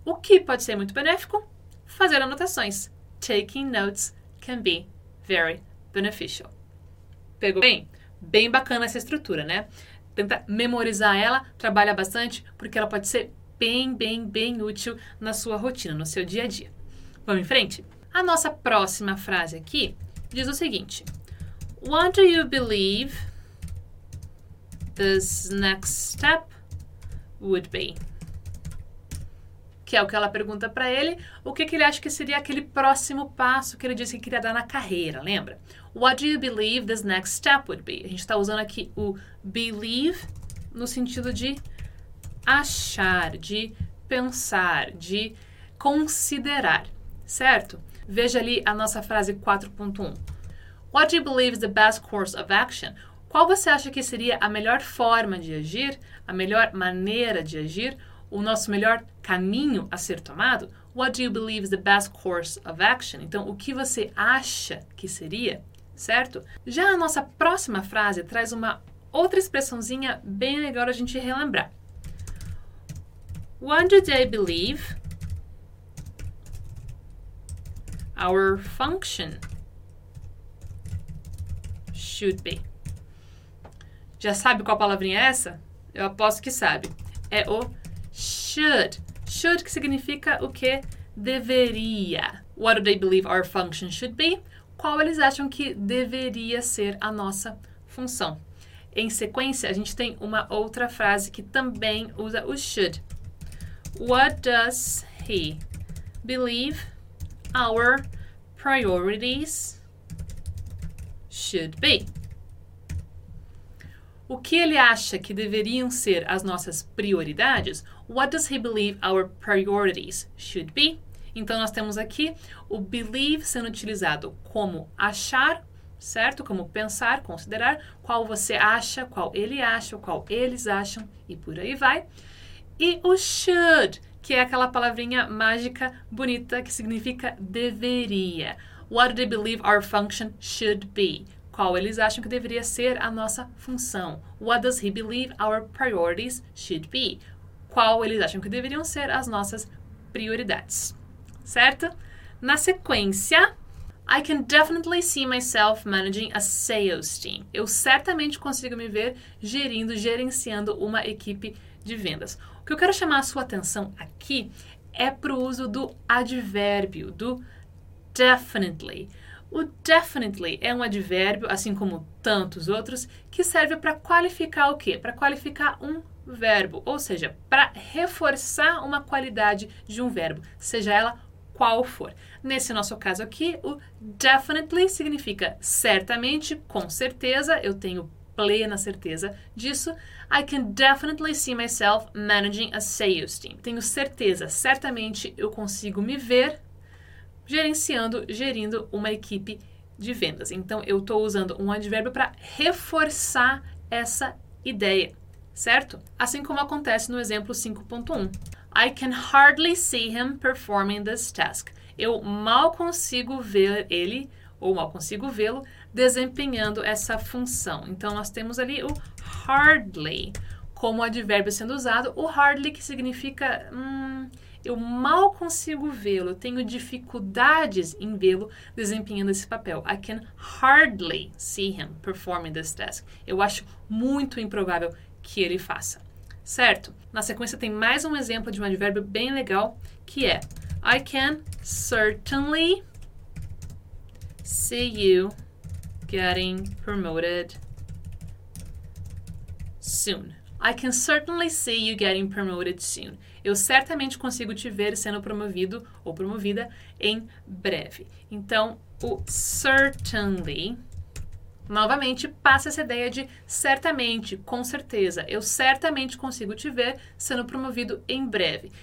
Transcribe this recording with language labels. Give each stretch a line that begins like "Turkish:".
Portuguese: O que pode ser muito benéfico? Fazer anotações.
English: Taking notes can be very beneficial.
Portuguese: Pegou bem? Bem bacana essa estrutura, né? Tenta memorizar ela, trabalha bastante, porque ela pode ser bem útil na sua rotina, no seu dia a dia. Vamos em frente? A nossa próxima frase aqui diz o seguinte.
English: What do you believe this next step would be?
Portuguese: Que é o que ela pergunta para ele. O que, que ele acha que seria aquele próximo passo que ele disse que queria dar na carreira, lembra?
English: What do you believe this next step would be?
Portuguese: A gente está usando aqui o believe no sentido de achar, de pensar, de considerar, certo? Veja ali a nossa frase 4.1.
English: What do you believe is the best course of action?
Portuguese: Qual você acha que seria a melhor forma de agir, a melhor maneira de agir, o nosso melhor caminho a ser tomado?
English: What do you believe is the best course of action?
Portuguese: Então, o que você acha que seria, certo? Já a nossa próxima frase traz uma outra expressãozinha bem legal a gente relembrar.
English: What do they believe our function should be?
Portuguese: Já sabe qual palavrinha é essa? Eu aposto que sabe. É o should. Should que significa o que? Deveria.
English: What do they believe our function should be?
Portuguese: Qual eles acham que deveria ser a nossa função? Em sequência, a gente tem uma outra frase que também usa o should.
English: What does he believe our priorities should be?
Portuguese: O que ele acha que deveriam ser as nossas prioridades?
English: What does he believe our priorities should be?
Portuguese: Então, nós temos aqui o believe sendo utilizado como achar, certo? Como pensar, considerar, qual você acha, qual ele acha, qual eles acham e por aí vai. E o should, que é aquela palavrinha mágica, bonita, que significa deveria.
English: What do they believe our function should be?
Portuguese: Qual eles acham que deveria ser a nossa função?
English: What does he believe our priorities should be?
Portuguese: Qual eles acham que deveriam ser as nossas prioridades? Certo? Na sequência,
English: I can definitely see myself managing a sales team.
Portuguese: Eu certamente consigo me ver gerenciando uma equipe de vendas. O que eu quero chamar a sua atenção aqui é para o uso do advérbio, do definitely. O definitely é um advérbio, assim como tantos outros, que serve para qualificar o quê? Para qualificar um verbo, ou seja, para reforçar uma qualidade de um verbo, seja ela qual for. Nesse nosso caso aqui, o definitely significa certamente, com certeza, eu tenho plena certeza disso.
English: I can definitely see myself managing a sales team.
Portuguese: Tenho certeza, certamente eu consigo me ver gerindo uma equipe de vendas. Então, eu estou usando um advérbio para reforçar essa ideia, certo? Assim como acontece no exemplo 5.1.
English: I can hardly see him performing this task.
Portuguese: Eu mal consigo ver ele, ou mal consigo vê-lo, desempenhando essa função. Então, nós temos ali o hardly como advérbio sendo usado. O hardly que significa... eu mal consigo vê-lo, tenho dificuldades em vê-lo desempenhando esse papel.
English: I can hardly see him performing this task.
Portuguese: Eu acho muito improvável que ele faça. Certo? Na sequência tem mais um exemplo de um advérbio bem legal, que é
English: I can certainly see you getting promoted soon. I can certainly see you getting promoted soon.
Portuguese: Eu certamente consigo te ver sendo promovido ou promovida em breve. Então, o certainly, novamente, passa essa ideia de certamente, com certeza. Eu certamente consigo te ver sendo promovido em breve.